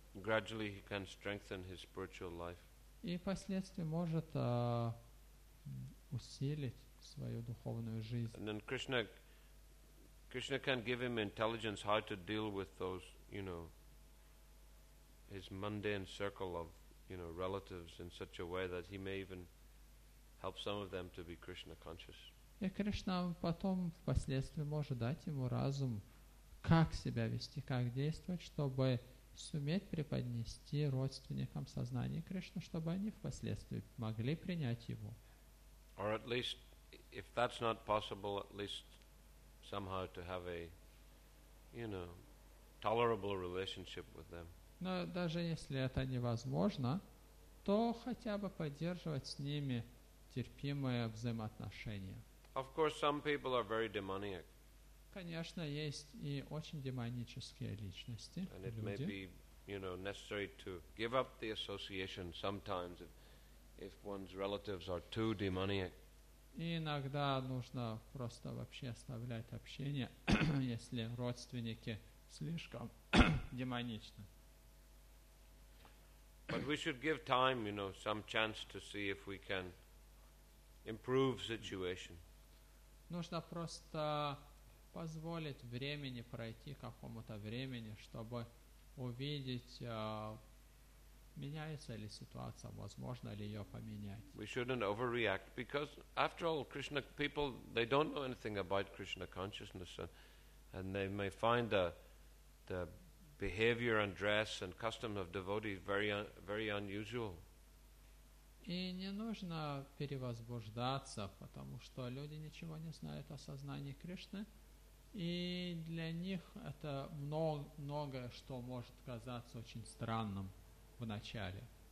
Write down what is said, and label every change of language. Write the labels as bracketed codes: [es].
[en] Gradually he can strengthen his spiritual life. [ru] И впоследствии может усилить свою духовную жизнь. [en] And then Krishna can give him intelligence how to deal with those, you know, his mundane circle of, you know, relatives in such a way that he may even help some of them to be Krishna conscious. [ru] И Кришна потом впоследствии может дать ему разум, как себя вести, как действовать, чтобы суметь преподнести родственникам сознание Кришны, чтобы они впоследствии могли принять его. [en] Or at least, if that's not possible, at least somehow to have a, you know, tolerable relationship with them. [ru] Но даже если это невозможно, то хотя бы поддерживать с ними терпимое взаимоотношение. [en] Of course, some people are very demoniac. [ru] Конечно, есть и очень демонические личности. [en] And it may be, you know, necessary to give up the association sometimes if one's relatives are too demoniac. [ru] И иногда нужно просто вообще оставлять общение, если родственники слишком демоничны. [en] But we should give time, you know, some chance to see if we can improve situation. [ru] Нужно просто позволить времени пройти какому-то времени, чтобы увидеть, меняется ли ситуация, возможно ли ее поменять. [en] We shouldn't overreact, because after all, Krishna people, they don't know anything about Krishna consciousness, and they may find the behavior and dress and custom of devotees very unusual. [ru] И не нужно перевозбуждаться, потому что люди ничего не знают о сознании Кришны, и для них это многое, что может казаться очень странным в начале.